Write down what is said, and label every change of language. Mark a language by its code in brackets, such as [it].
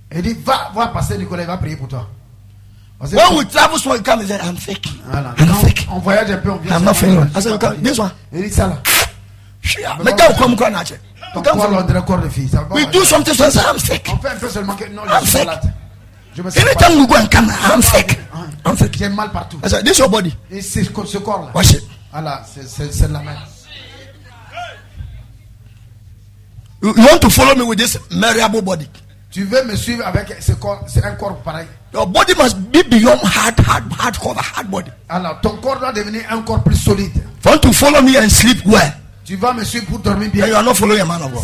[fr] Il dit, va Pastor Nicolas, il va prier pour toi. Parce [en] when we travel, so he comes and says, I'm fake. [fr] Voilà. [en] I'm fake. [fr] On voyage un peu, on vient. [en] I'm not fake. I said, okay, this one. [fr] Il dit, ça là. Mais quand vous croyez, Nache? Quand vous croyez, Nache? [en] We do something, so I say, I'm fake. [fr] On fait un peu seulement que non, je suis [en] fake. Every time you go and come, I'm sick. I'm sick. [fr] J'ai mal partout. [en] I said, this is your body. [fr] C'est ce corps-là. [en] Watch it. [fr] Voilà, c'est la main. [en] You want to follow me with this malleable body? [fr] Tu veux me suivre avec ce corps? C'est un corps pareil. [en] Your body must be beyond hard cover, hard body. [fr] Alors, ton corps doit devenir un corps plus solide. [en] You want to follow me and sleep well? [fr] Tu vas me suivre pour dormir bien. [en] And you are not following a man of God.